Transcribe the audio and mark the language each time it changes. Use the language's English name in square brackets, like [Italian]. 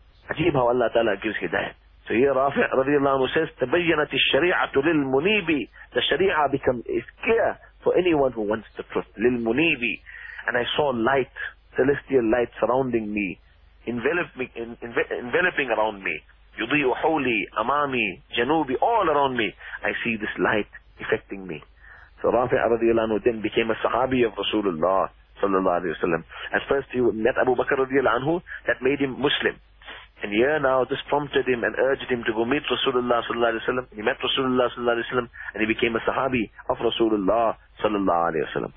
[English] Ajeeb how Allah Ta'ala gives hidayah. So here Rafi' radiallahu anhu says, [Arabic] تبينت الشريعة للمنيب. [English] The sharia is clear for anyone who wants the truth. [Arabic] للمنيبي. [English] And I saw light, celestial light surrounding me, enveloping around me. [Arabic] يُضِيُّ حَوْلِي أَمَامِي جَنُوبِي, [English] all around me. I see this light affecting me. So Rafi'a radiallahu anhu then became a Sahabi of Rasulullah sallallahu alayhi wa sallam. At first he met Abu Bakr radiallahu anhu, that made him Muslim. And here now this prompted him and urged him to go meet Rasulullah sallallahu alayhi wa sallam. He met Rasulullah sallallahu alayhi wa sallam and he became a Sahabi of Rasulullah sallallahu alayhi wa sallam.